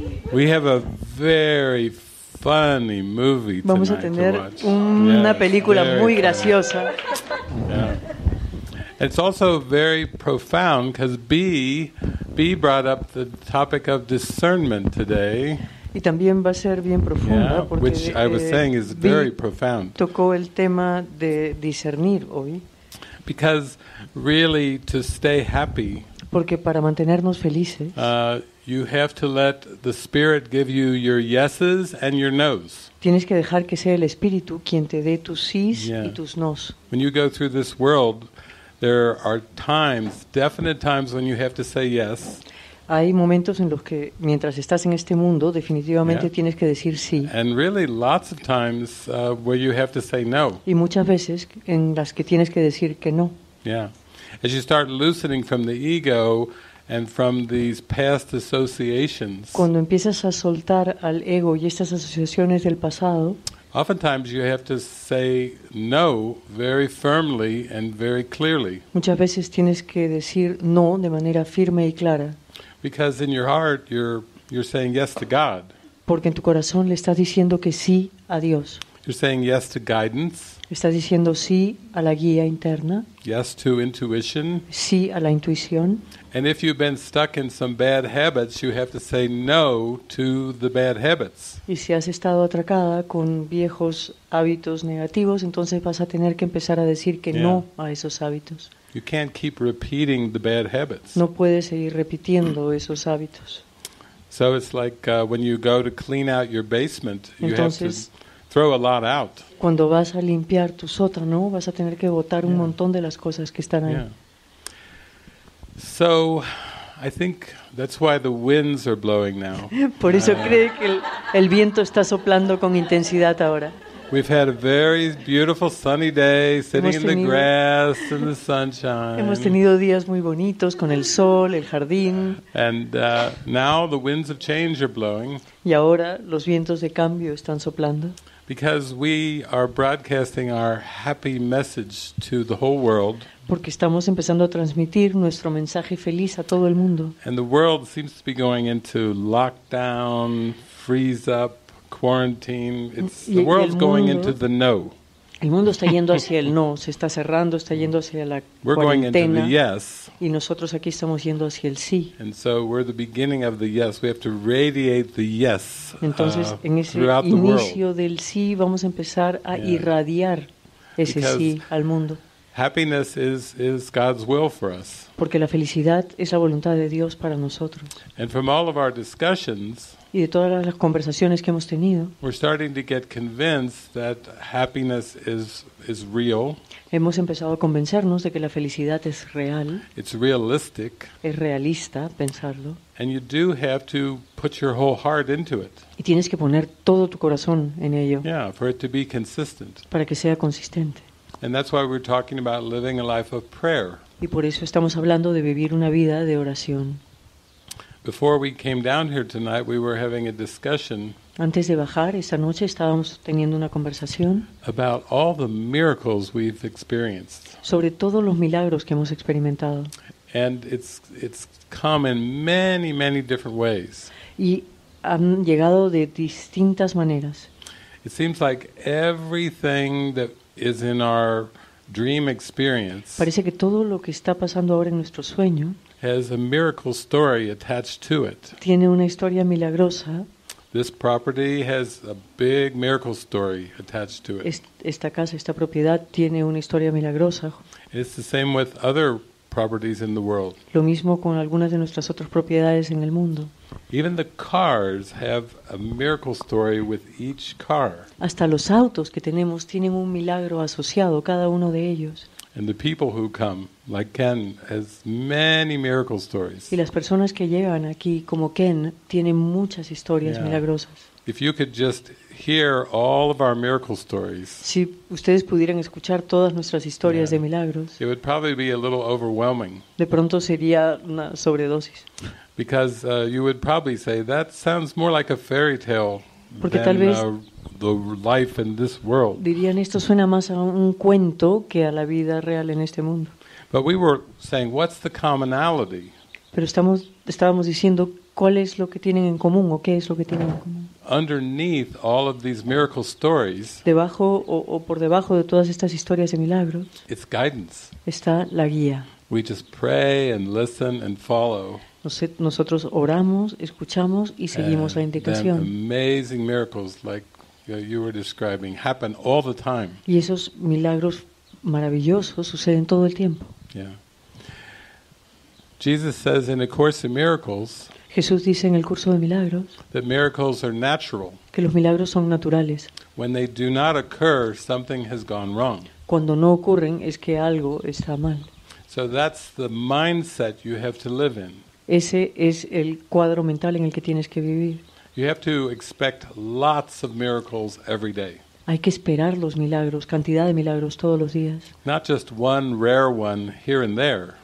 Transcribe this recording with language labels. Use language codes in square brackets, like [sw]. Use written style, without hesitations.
[en] We have a very funny movie tonight. [es] Vamos a tener una película muy graciosa. [en] It's also very profound because B brought up the topic of discernment today. [es] Y también va a ser bien profunda porque [en] which I was saying is very profound. [es] Tocó el tema de discernir hoy. [en] Because really to stay happy. [es] Porque para mantenernos felices. [en] You have to let the spirit give you your yeses and your noes. [es] Tienes que dejar que sea el espíritu quien te dé tus sís y tus noes. [en] When you go through this world, there are times, definite times when you have to say yes. [es] Hay momentos en los que mientras estás en este mundo, definitivamente tienes que decir sí. [en] And really lots of times where you have to say no. [es] Y muchas veces en las que tienes que decir que no. [en] Yeah. As you start loosening from the ego and from these past associations. [es] Cuando empiezas a soltar al ego y estas asociaciones del pasado, [en] oftentimes you have to say no very firmly and very clearly. [es] Muchas veces tienes que decir no de manera firme y clara. [en] Because in your heart you're saying yes to God. [es] Porque en tu corazón le estás diciendo que sí a Dios. [en] You're saying yes to guidance. [es] Estás diciendo sí a la guía interna. [en] Yes to intuition. [es] Sí a la intuición. [en] And if you've been stuck in some bad habits, you have to say no to the bad habits. [es] Y si has estado atracada con viejos hábitos negativos, entonces vas a tener que empezar a decir que no a esos hábitos. [en] You can't keep repeating the bad habits. [es] No puedes seguir repitiendo esos hábitos. [en] So it's like when you go to clean out your basement, you have to throw a lot out. [es] Cuando vas a limpiar tu sótano, vas a tener que botar un montón de las cosas que están ahí. [en] So, I think that's why the winds are blowing now. [es] Por eso cree que el viento está soplando con intensidad ahora. [en] We've had a very beautiful sunny day, sitting in the grass and the sunshine. [es] Hemos tenido días muy bonitos con el sol, el jardín. [en] And now the winds of change are blowing. [es] Y ahora los vientos de cambio están soplando. [en] Because we are broadcasting our happy message to the whole world. [es] Porque estamos empezando a transmitir nuestro mensaje feliz a todo el mundo. [en] And the world seems to be going into lockdown, freeze up, quarantine. It's the world's going into the no. [es] El mundo está yendo hacia el no, se está cerrando, está yendo hacia la cuarentena. [en] We're going into the yes. [es] Y nosotros aquí estamos yendo hacia el sí. [en] And so we're the beginning of the yes. We have to radiate the yes. [es] Entonces, en ese inicio del sí vamos a empezar a irradiar ese sí al mundo. [en] Happiness is God's will for us. [es] Porque la felicidad es la voluntad de Dios para nosotros. [en] And from all of our discussions, [es] y de todas las conversaciones que hemos tenido, [en] we're starting to get convinced that happiness is real. [es] Hemos empezado a convencernos de que la felicidad es real. [en] It's realistic. [es] Es realista pensarlo. [en] And you do have to put your whole heart into it. [es] Y tienes que poner todo tu corazón en ello. [en] Yeah, for it to be consistent. [es] Para que sea consistente. [en] And that's why we're talking about living a life of prayer. [es] Y por eso estamos hablando de vivir una vida de oración. [en] Before we came down here tonight, we were having a discussion. [es] Antes de bajar esta noche estábamos teniendo una conversación. [en] About all the miracles we've experienced. [es] Sobre todos los milagros que hemos experimentado. [en] And it's come in many, many different ways. [es] Y han llegado de distintas maneras. [en] It seems like everything that is in our dream experience. [es] Parece que todo lo que está pasando ahora en nuestro sueño [en] has a miracle story attached to it. [es] Tiene una historia milagrosa. [en] This property has a big miracle story attached to it. [es] Esta casa, esta propiedad tiene una historia milagrosa. [en] It's the same with other properties in the world. [es] Lo mismo con algunas de nuestras otras propiedades en el mundo. [en] Even the cars have a miracle story with each car. [es] Hasta los autos que tenemos tienen un milagro asociado cada uno de ellos. [en] And the people who come, like Ken, has many miracle stories. [es] Y las personas que llegan aquí como Ken tienen muchas historias milagrosas. [en] If you could just hear all of our miracle stories. [es] Si ustedes pudieran escuchar todas nuestras historias de milagros. [en] It would probably be a little overwhelming. [es] De pronto sería una sobredosis. [en] Because you would probably say that sounds more like a fairy tale [es] Porque tal vez [en] the life in this world. [es] Dirían esto suena más a un cuento que a la vida real en este mundo. [en] But we were saying, what's the commonality? [es] Pero estábamos diciendo cuál es lo que tienen en común o qué es lo que tienen en común. [en] Underneath all of these miracle stories, [es] debajo o por debajo de todas estas historias de milagros, [en] it's guidance. [es] Está la guía. [en] We just pray and listen and follow. [es] Nosotros oramos, escuchamos y seguimos [en] and [es] la indicación. [en] Amazing miracles like you were describing happen all the time. [es] Y esos milagros maravillosos suceden todo el tiempo. [en] Yeah. Jesus says in A Course in Miracles, [es] Jesús dice en el curso de milagros, [en] that miracles are natural. [es] Que los milagros son naturales. [en] When they do not occur, something has gone wrong. [es] Cuando no ocurren es que algo está mal. [en] So that's the mindset you have to live in. [es] Ese es el cuadro mental en el que tienes que vivir. [en] You have to expect lots of miracles every day. [es] Hay que esperar los milagros, cantidad de milagros todos los días. [en] Not just one rare one here and there.